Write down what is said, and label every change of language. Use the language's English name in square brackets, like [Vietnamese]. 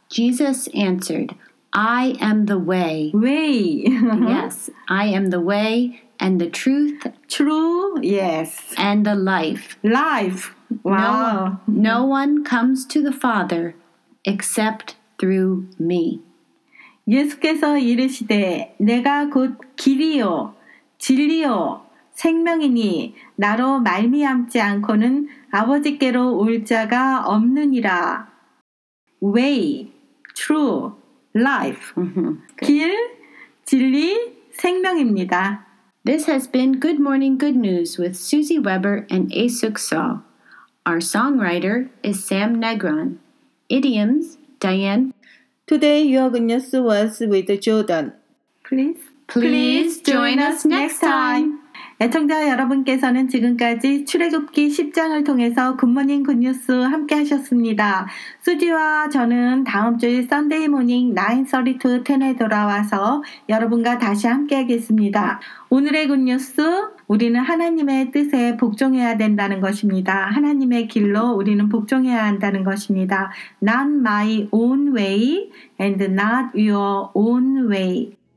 [English] Jesus answered, I am the way. We. Yes, I am the way and the truth. True, yes. And the life. Life. Wow. No one comes to the Father except through me. [Korean] 예수께서 이르시되, 내가 곧 길이요, 진리요, 생명이니 나로 말미암지 않고는 아버지께로 올 자가 없느니라. [English] Way, true, life, [Korean] okay. 길, 진리, 생명입니다. [English] This has been Good Morning Good News with Susie Weber and Aesuk Saw. Our songwriter is Sam Negron. Idioms, Diane. Today, your good news was with Jordan. Please join us next time. [Korean] 애청자 여러분께서는 지금까지 출애굽기 10장을 통해서 굿모닝 굿뉴스 함께 하셨습니다. 수지와 저는 다음 주 [English] Sunday morning 9:30 to 10 [Korean] 에 돌아와서 여러분과 다시 함께 하겠습니다. 오늘의 굿뉴스, 우리는 하나님의 뜻에 복종해야 된다는 것입니다. 하나님의 길로 우리는 복종해야 한다는 것입니다. [English] Not my own way and not your own way.